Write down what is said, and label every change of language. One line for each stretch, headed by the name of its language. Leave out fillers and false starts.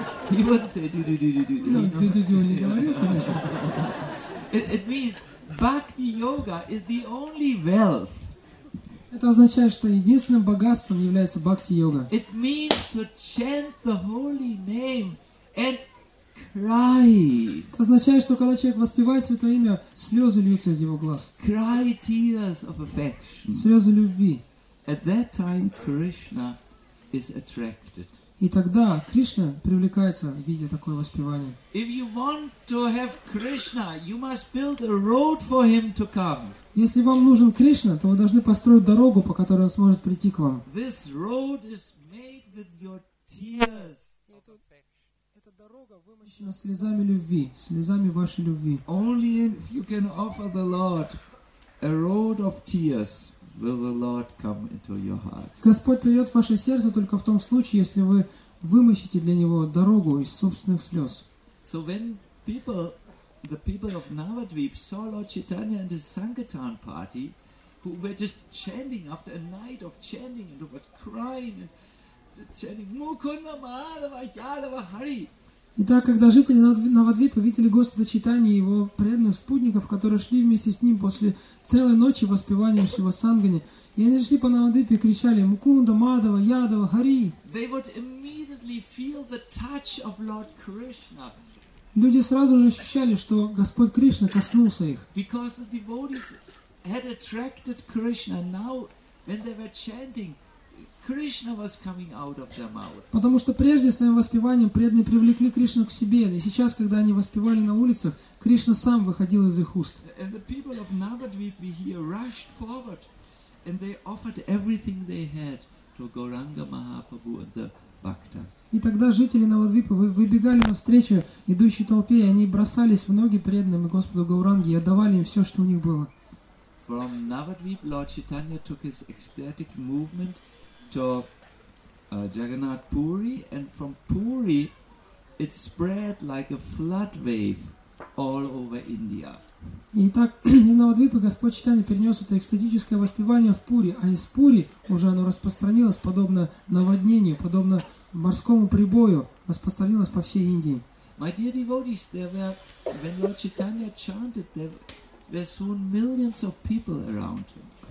English: He wouldn't say do do do do do. No, do do do.
Russian: Не говорил, конечно.
English: It means bhakti yoga is the only wealth.
Russian: Это означает, что единственным богатством является бхакти йога.
English: It means to chant the holy name and cry.
Russian: Это означает, что когда человек воспевает святое имя, слезы льются из его глаз.
English: Cry tears of affection.
Russian: Слезы любви.
English: At that time Krishna is attracted.
Russian: И тогда Кришна привлекается в виде такое воспевание.
English: If you want to have Krishna, you must build a road for him to come.
Russian: Если вам нужен Кришна, то вы должны построить дорогу, по которой он сможет прийти к вам.
English: This road is made with your tears.
Russian: Вымощена слезами любви, слезами вашей любви.
English: Only if you can offer the Lord a road of tears will the Lord come into your heart.
Russian: Господь придет в ваше сердце только в том случае, если вы вымощите для него дорогу из собственных слез.
English: So when the people of Navadvip saw Lord Chaitanya and his Sankirtan party, who were just chanting after a night of chanting and who was crying and chanting Mukunda Madhava Yadava Hari.
Russian: Итак, когда жители Навадвипа видели Господа Чайтанью и его преданных спутников, которые шли вместе с ним после целой ночи воспевания Шива Сангани, и они шли по Навадвипе и кричали «Мукунда, Мадава, Ядава, Хари!»
English: They would immediately feel the touch of Lord Krishna.
Russian: Люди сразу же ощущали, что Господь Кришна коснулся их.
English: Because the devotees had attracted Krishna, now when they were chanting, Krishna was coming out of their mouth.
Russian: Потому что прежде своим воспеванием преданные привлекли Кришну к себе, и сейчас, когда они воспевали на улицах, Кришна сам выходил из их уст.
English: And the people of Navadvip we hear rushed forward, and they offered everything they had to Gauranga Mahaprabhu and the Bhaktas.
Russian: И тогда жители Навадвипа выбегали навстречу идущей толпе, и они бросались в ноги преданным и Господу Гауранге и отдавали им все, что у них было.
English: From Navadvip, Lord Chaitanya took his ecstatic movement to Jagannath Puri, and from Puri it spread like a flood wave all over India.
Russian: Итак, из Навадвипы Господь Чайтанья перенес это экстатическое воспевание в Пури, а из Пури уже оно распространилось подобно наводнению, подобно морскому прибою, распространилось по всей Индии.
English: My dear devotees, when Lord Chaitanya chanted, there were soon millions of people around him.